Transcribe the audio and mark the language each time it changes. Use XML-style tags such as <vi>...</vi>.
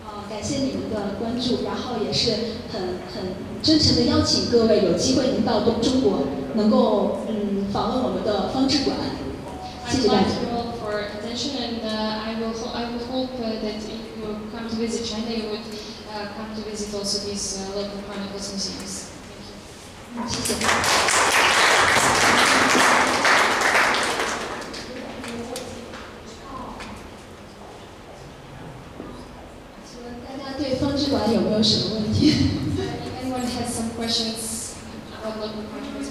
<zh>感谢你们的关注，然后也是很真诚的邀请各位，有机会能到中国，能够访问我们的方志馆。谢谢大家。</zh> <en>I'd like you all for attention, and I would hope that if you come to visit China, you would come to visit also these local chronicles museums.</en> <zh>请问大家对方志馆有没有什么问题？</zh> <en>Anyone has some questions about local chronicles?</en>